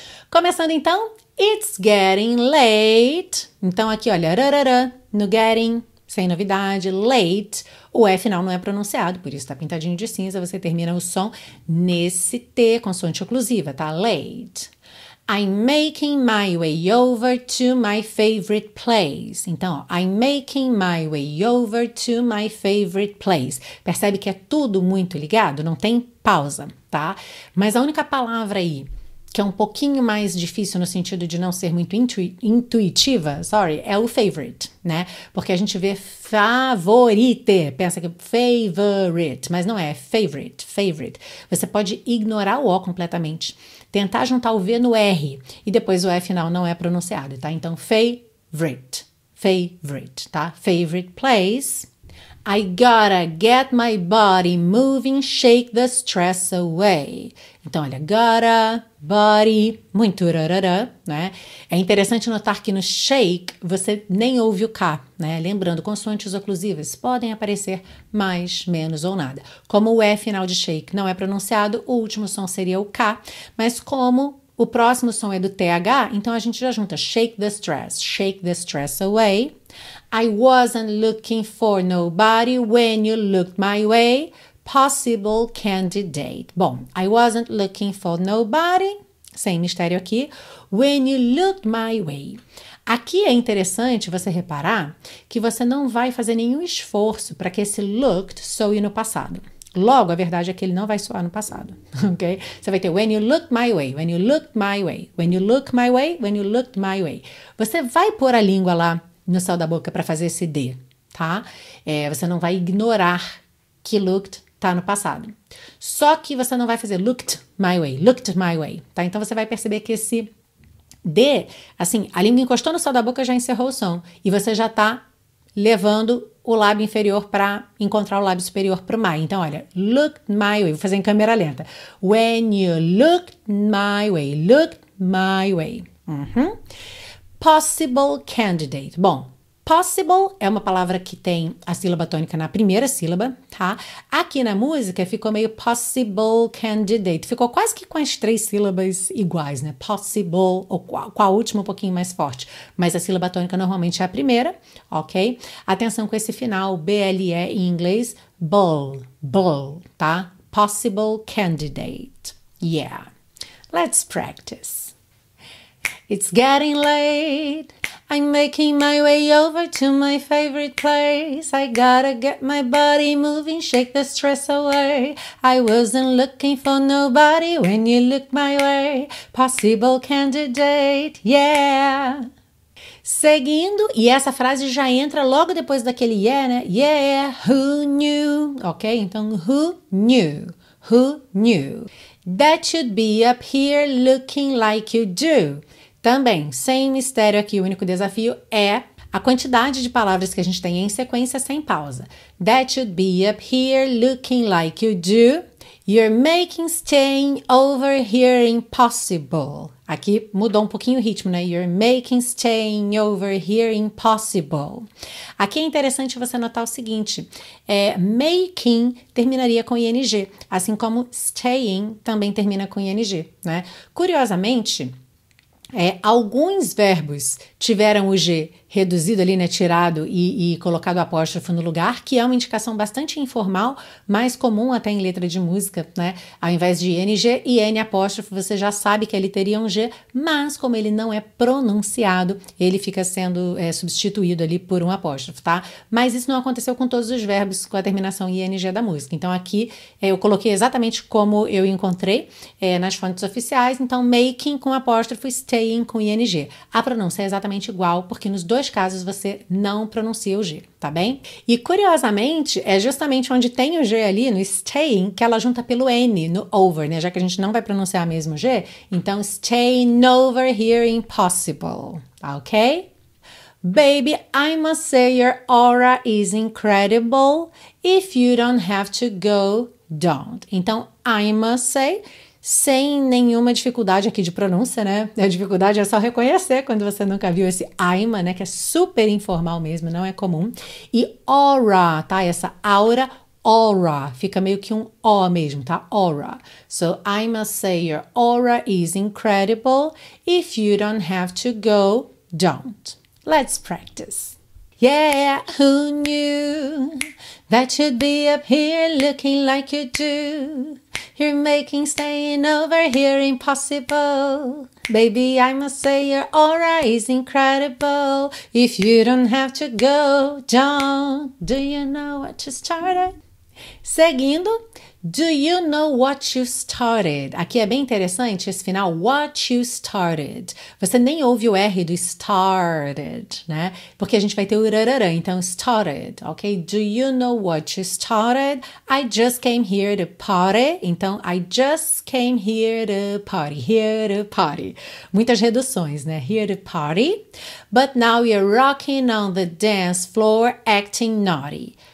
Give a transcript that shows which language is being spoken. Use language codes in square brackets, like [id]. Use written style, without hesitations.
[pt] Começando então, [en] it's getting late. [pt] Então, aqui, olha, rarara, no getting, sem novidade, late. O E final não é pronunciado, por isso tá pintadinho de cinza, você termina o som nesse T, consoante oclusiva, tá? [en] Late. I'm making my way over to my favorite place. Então, ó, I'm making my way over to my favorite place. [pt] Percebe que é tudo muito ligado? Não tem pausa, tá? Mas a única palavra aí que é um pouquinho mais difícil no sentido de não ser muito intuitiva, sorry, é o favorite, né? Porque a gente vê favorite, pensa que favorite, mas não é favorite, favorite. Você pode ignorar o O completamente, tentar juntar o V no R e depois o E final não é pronunciado, tá? Então, favorite, favorite, tá? [en] Favorite place. I gotta get my body moving, shake the stress away. [pt] Então, olha, gotta, body, muito rarara, né? É interessante notar que no shake você nem ouve o K, né? Lembrando, consoantes oclusivas podem aparecer mais, menos ou nada. Como o E final de shake não é pronunciado, o último som seria o K, mas como o próximo som é do TH, então a gente já junta [en] shake the stress away. I wasn't looking for nobody when you looked my way, possible candidate. Bom, I wasn't looking for nobody, [pt] sem mistério aqui, [en] when you looked my way. [pt] Aqui é interessante você reparar que você não vai fazer nenhum esforço para que esse looked soe no passado. Logo, a verdade é que ele não vai soar no passado, ok? Você vai ter [en] when you looked my way, when you looked my way, when you looked my way, when you looked my way. [pt] Você vai pôr a língua lá no céu da boca para fazer esse D, tá? Você não vai ignorar que looked tá no passado. Só que você não vai fazer [en] looked my way, looked my way, [pt] tá? Então, você vai perceber que esse D, assim, a língua encostou no céu da boca, já encerrou o som. E você já tá levando o lábio inferior para encontrar o lábio superior para o mai. Então, olha, [en] look my way. [pt] Vou fazer em câmera lenta. [en] When you look my way, uhum. Possible candidate. [pt] Bom, possible é uma palavra que tem a sílaba tônica na primeira sílaba, tá? Aqui na música ficou meio [en] possible candidate. [pt] Ficou quase que com as três sílabas iguais, né? Possible, ou com a última um pouquinho mais forte. Mas a sílaba tônica normalmente é a primeira, ok? Atenção com esse final, B-L-E em inglês, bull, tá? [en] possible candidate. Yeah, let's practice. It's getting late. I'm making my way over to my favorite place. I gotta get my body moving, shake the stress away. I wasn't looking for nobody when you looked my way. Possible candidate, yeah. [pt] Seguindo, e essa frase já entra logo depois daquele yeah, né? [en] Yeah, who knew? Ok, então who knew? Who knew? That you'd be up here looking like you do. [pt] Também, sem mistério aqui, o único desafio é a quantidade de palavras que a gente tem em sequência sem pausa. [en] That you'd be up here looking like you do. You're making staying over here impossible. [pt] Aqui mudou um pouquinho o ritmo, né? [en] You're making staying over here impossible. [pt] Aqui é interessante você notar o seguinte. É, making terminaria com ing, assim como staying também termina com ing, né? Curiosamente, alguns verbos tiveram o G reduzido ali, né, tirado e colocado apóstrofo no lugar, que é uma indicação bastante informal, mais comum até em letra de música, né? Ao invés de NG e N apóstrofo, você já sabe que ele teria um G, mas como ele não é pronunciado, ele fica sendo substituído ali por um apóstrofo, tá? Mas isso não aconteceu com todos os verbos com a terminação ING da música. Então aqui eu coloquei exatamente como eu encontrei nas fontes oficiais, então making com apóstrofo, staying com ING. A pronúncia é exatamente igual, porque nos dois casos você não pronuncia o G, tá bem? E curiosamente, é justamente onde tem o G ali, no staying, que ela junta pelo N, no over, né? Já que a gente não vai pronunciar mesmo G, então [en] staying over here impossible, [pt] ok? [en] Baby, I must say your aura is incredible. If you don't have to go, don't. [pt] Então, [en] I must say, [pt] sem nenhuma dificuldade aqui de pronúncia, né? A dificuldade é só reconhecer quando você nunca viu esse aima, né? Que é super informal mesmo, não é comum. E aura, tá? Essa aura, aura. Fica meio que um O mesmo, tá? Aura. [en] So, I must say your aura is incredible. If you don't have to go, don't. Let's practice. Yeah, who knew that you'd be up here looking like you do? You're making staying over here impossible. Baby, I must say your aura is incredible. If you don't have to go, don't. Do you know what you started? Seguindo, do you know what you started? [pt] Aqui é bem interessante esse final, [en] what you started. [pt] Você nem ouve o R do started, né? Porque a gente vai ter o rararã, então started, ok? [en] Do you know what you started? I just came here to party. Então, I just came here to party, here to party. [pt] Muitas reduções, né? [en] Here to party. But now you're rocking on the dance floor, acting naughty.